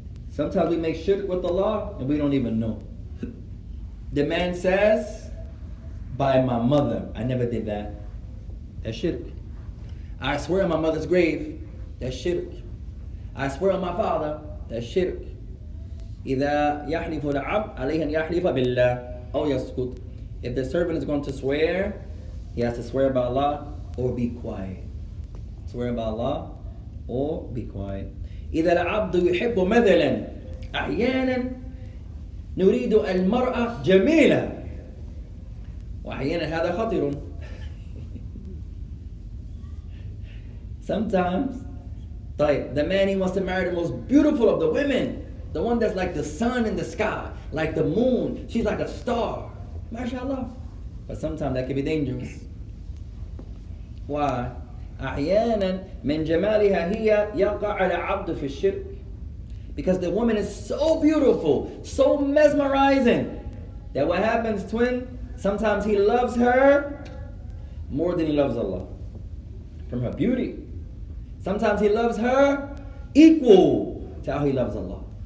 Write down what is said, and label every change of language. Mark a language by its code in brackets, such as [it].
[en] Sometimes we make shirk with Allah and we don't even know. The man says, by my mother, I never did that. That's shirk. I swear on my mother's grave, that's shirk. I swear on my father, that's shirk. [ar] إذا يحلف العبد عليه أن يحلف بالله أو يسكت. [en] If the servant is going to swear, he has to swear by Allah or be quiet. Swear by Allah or be quiet. [ar] إذا العبد يحب مثلا أحيانا نريد المرأة جميلة وأحيانا هذا خطير. [en] Sometimes, طيب, the man he wants to marry the most beautiful of the women, the one that's like the sun in the sky, like the moon, she's like a star, mashallah. But sometimes that can be dangerous. Why? [ar] أحيانا من جمالها هي يقع العبد في الشرك. [en] Because the woman is so beautiful, so mesmerizing, that what happens, twin, sometimes he loves her more than he loves Allah. From her beauty. Sometimes he loves her equal to how he loves Allah.